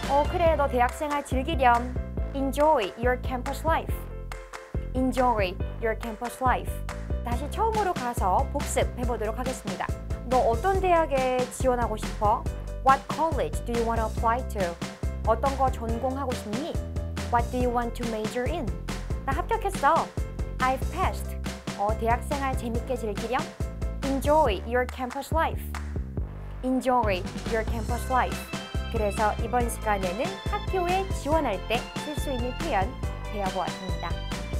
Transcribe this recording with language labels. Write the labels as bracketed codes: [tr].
[ko] 그래, 너 대학생활 즐기렴. [en] Enjoy your campus life. Enjoy your campus life. [ko] 다시 처음으로 가서 복습해보도록 하겠습니다. 너 어떤 대학에 지원하고 싶어? [en] What college do you want to apply to? [ko] 어떤 거 전공하고 싶니? [en] What do you want to major in? [ko] 나 합격했어. [en] I've passed. [ko] 대학생활 재밌게 즐기렴. [en] Enjoy your campus life. Enjoy your campus life. [ko] 그래서 이번 시간에는 학교에 지원할 때 쓸 수 있는 표현 배워보았습니다.